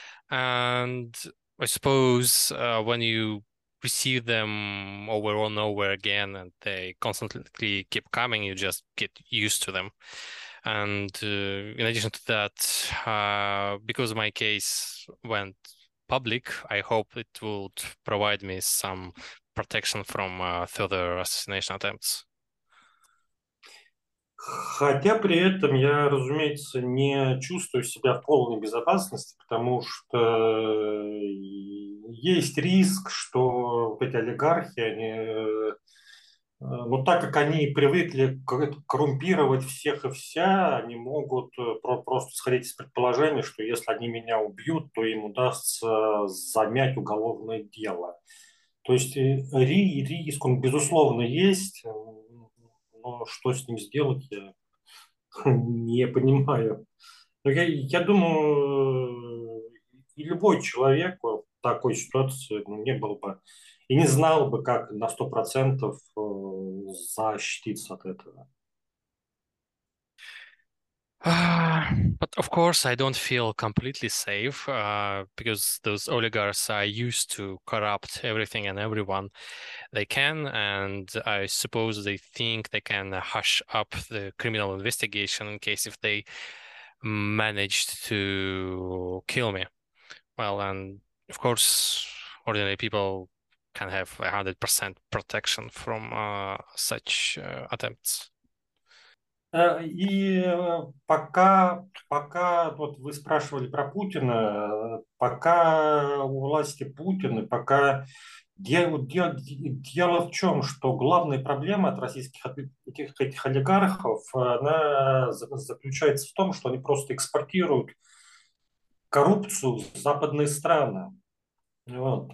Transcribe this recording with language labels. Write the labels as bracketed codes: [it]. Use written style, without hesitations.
[en] And I suppose when you receive them over and over again, and they constantly keep coming, you just get used to them. And in addition to that, because my case went public, I hope it would provide me some protection from further assassination attempts. [ru] Хотя при этом я, разумеется, не чувствую себя в полной безопасности, потому что есть риск, что вот эти олигархи, они... Но так как они привыкли коррумпировать всех и вся, они могут просто сходить из предположения, что если они меня убьют, то им удастся замять уголовное дело. То есть риск, он безусловно есть, но что с ним сделать, я не понимаю. Я думаю, и любой человек в такой ситуации не был бы... И не знал бы, как на 100% защититься от этого. [en] But of course, I don't feel completely safe because those oligarchs are used to corrupt everything and everyone they can. And I suppose they think they can hush up the criminal investigation in case if they managed to kill me. Well, and of course, ordinary people can have 100% protection from such attempts. [ru] И пока, пока вот вы спрашивали про Путина, пока у власти Путин, и пока дело в чем, что главная проблема от российских этих олигархов, она заключается в том, что они просто экспортируют коррупцию в западные страны. Вот.